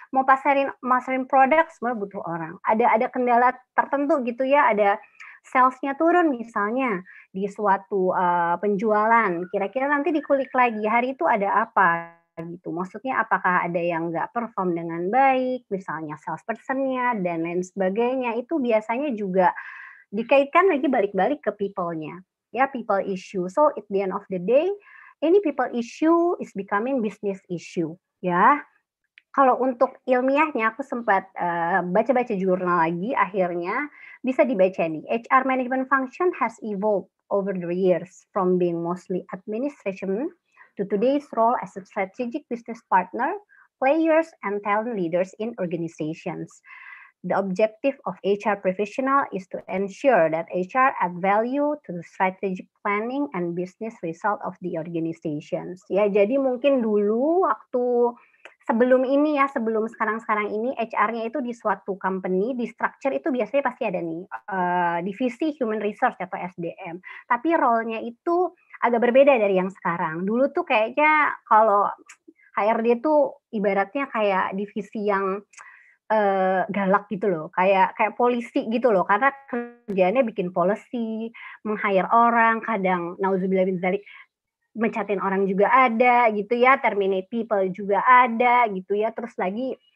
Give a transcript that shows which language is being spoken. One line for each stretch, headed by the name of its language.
Indonesian: Mau pasarin produk semua butuh orang. Ada kendala tertentu gitu ya, ada salesnya turun misalnya di suatu penjualan, kira-kira nanti dikulik lagi hari itu ada apa gitu, maksudnya apakah ada yang nggak perform dengan baik misalnya salespersonnya dan lain sebagainya, itu biasanya juga dikaitkan lagi balik-balik ke people-nya ya,
English: people issue. So at the end of the day any people issue is becoming business issue ya.
Indonesian: Kalau untuk ilmiahnya, aku sempat baca-baca jurnal lagi, akhirnya bisa dibaca nih.
English: HR management function has evolved over the years from being mostly administration to today's role as a strategic business partner, players, and talent leaders in organizations. The objective of HR professional is to ensure that HR add value to the strategic planning and business result of the organizations.
Indonesian: Ya, jadi mungkin dulu waktu sebelum ini ya, sebelum sekarang-sekarang ini, HR-nya itu di suatu company, di structure itu biasanya pasti ada nih, divisi human resource atau SDM. Tapi role-nya itu agak berbeda dari yang sekarang. Dulu tuh kayaknya kalau HRD itu ibaratnya kayak divisi yang galak gitu loh, kayak polisi gitu loh, karena kerjanya bikin policy, meng-hire orang, kadang nauzubillah min dzalik, mencatin orang juga ada gitu ya,
English: terminate people
Indonesian: juga ada gitu ya, terus lagi